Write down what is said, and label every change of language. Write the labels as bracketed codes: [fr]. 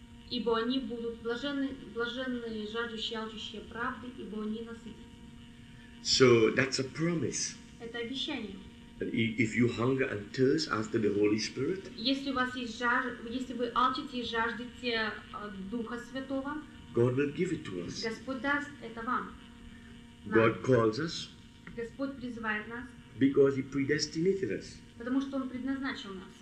[ru] Ибо они будут блаженны жаждущие и алчущие правды, ибо они насытятся. [en] So that's a promise. [ru] Это обещание. [en] If you hunger and thirst after the Holy Spirit, [ru] если у вас есть если вы алчите и жаждете Духа Святого, [en] God will give it to us. [ru] Господь даст это вам. [en] God calls us. [ru] Господь призывает нас. [en] Because He predestinated us. [ru] Потому что Он предназначил нас.